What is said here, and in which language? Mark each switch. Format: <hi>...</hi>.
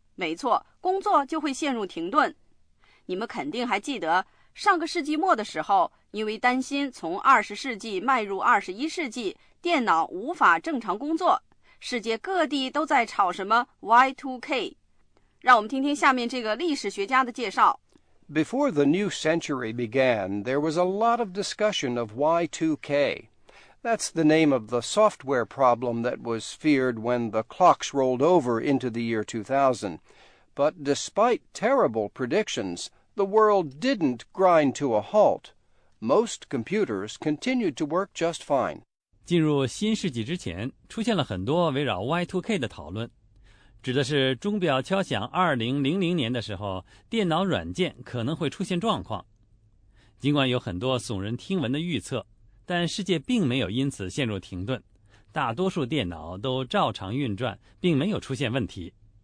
<zh>没错，工作就会陷入停顿。你们肯定还记得上个世纪末的时候，因为担心从20世纪迈入21世纪电脑无法正常工作，世界各地都在吵什么 Y2K。让我们听听下面这个历史学家的介绍。</zh> <en>Before the new century began, there was a lot of discussion of Y2K. That's the name of the software problem that was feared when the clocks rolled over into the year 2000. But despite terrible predictions, the world didn't grind to a halt. Most computers continued to work just fine.</en> <zh>进入新世纪之前，出现了很多围绕 Y2K 的讨论，指的是钟表敲响2000年的时候，电脑软件可能会出现状况。尽管有很多耸人听闻的预测，但世界并没有因此陷入停顿，大多数电脑都照常运转，并没有出现问题。</zh>